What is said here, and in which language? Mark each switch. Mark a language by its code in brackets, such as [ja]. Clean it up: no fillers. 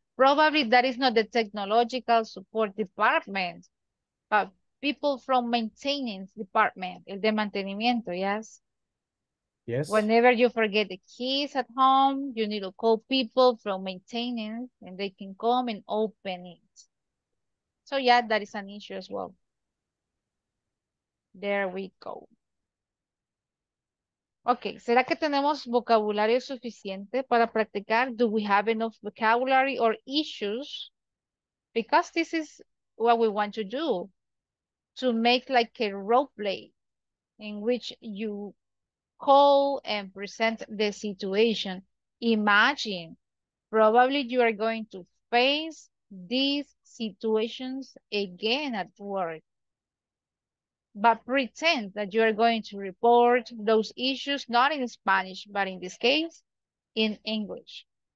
[en] Probably that is not the technological support department, but people from maintenance department, [es] el de mantenimiento, [en] yes? Yes. Whenever you forget the keys at home, you need to call people from maintenance and they can come and open it. So yeah, that is an issue as well. There we go. [es] Okay, ¿será que tenemos vocabulario suficiente para practicar? [en] Do we have enough vocabulary or issues? Because this is what we want to do, to make like a role play in which you call and present the situation. Imagine, probably you are going to face this situations again at work, but pretend that you are going to report those issues not in Spanish, but in this case in English.